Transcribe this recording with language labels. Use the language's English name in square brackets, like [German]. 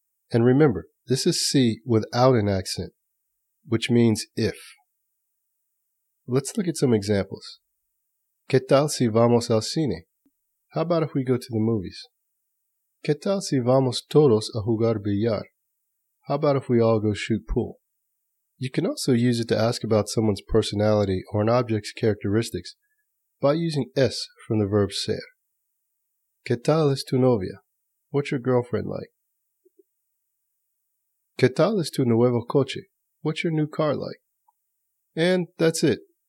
[English] And remember, this is si without an accent, which means if. Let's look at some examples. [Spanish] ¿Qué tal si vamos al cine? [English] How about if we go to the movies? [Spanish] ¿Qué tal si vamos todos a jugar billar? [English] How about if we all go shoot pool? You can also use it to ask about someone's personality or an object's characteristics by using es from the verb ser. [Spanish] ¿Qué tal es tu novia? [English] What's your girlfriend like? [Spanish] ¿Qué tal es tu nuevo coche? [English] What's your new car like? And that's it.